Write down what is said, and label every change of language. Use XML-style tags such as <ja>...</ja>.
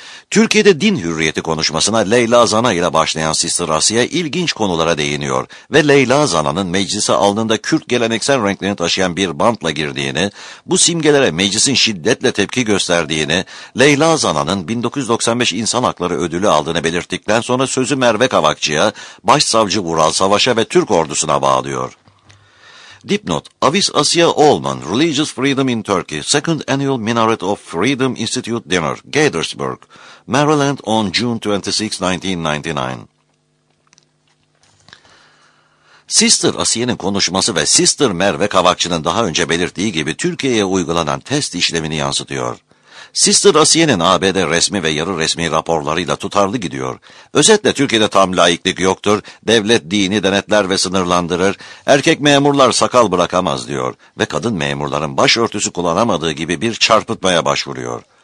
<tr>Türkiye'de din hürriyeti konuşmasına Leyla Zana ile başlayan Sister Asiye ilginç konulara değiniyor ve Leyla Zana'nın meclise alnında Kürt geleneksel renklerini taşıyan bir bantla girdiğini, bu simgelere meclisin şiddetle tepki gösterdiğini, Leyla Zana'nın 1995 İnsan Hakları Ödülü aldığını belirttikten sonra sözü Merve Kavakçı'ya, Başsavcı Vural Savaş'a ve Türk ordusuna bağlıyor.</tr> <en>Dipnot, Avis Asiye Olman, Religious Freedom in Turkey, Second Annual Minaret of Freedom Institute Dinner, Gaithersburg, Maryland on June 26, 1999.</en> <tr>Sister Asiye'nin konuşması ve Sister Merve Kavakçı'nın daha önce belirttiği gibi Türkiye'ye uygulanan test işlemini yansıtıyor. Sister Asiye'nin ABD resmi ve yarı resmi raporlarıyla tutarlı gidiyor. Özetle Türkiye'de tam laiklik yoktur, devlet dini denetler ve sınırlandırır, erkek memurlar sakal bırakamaz diyor ve kadın memurların başörtüsü kullanamadığı gibi bir çarpıtmaya başvuruyor.</tr>